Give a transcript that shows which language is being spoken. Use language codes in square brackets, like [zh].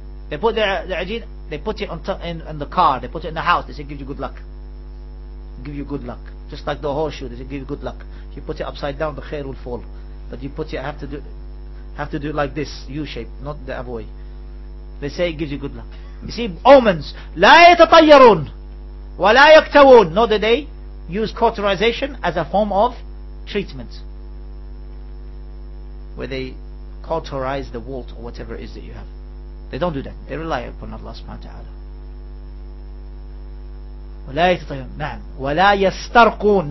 [en] They put the ajina, they put it on top, in the car, they put it in the house, they say give you good luck. Give you good luck. Just like the horseshoe, they say give you good luck. You put it upside down, the khair will fall. But you put it, I have to do it like this, U shape, not the other way. They say it gives you good luck. You see, omens, [ar] لا يتطيرون ولا يكتوون. [en] Not that they use cauterization as a form of treatment, where they cauterize the wart or whatever it is that you have. They don't do that. They rely upon Allah subhanahu wa ta'ala. [ar] ولا يتطيرون. نعم. ولا يسترقون.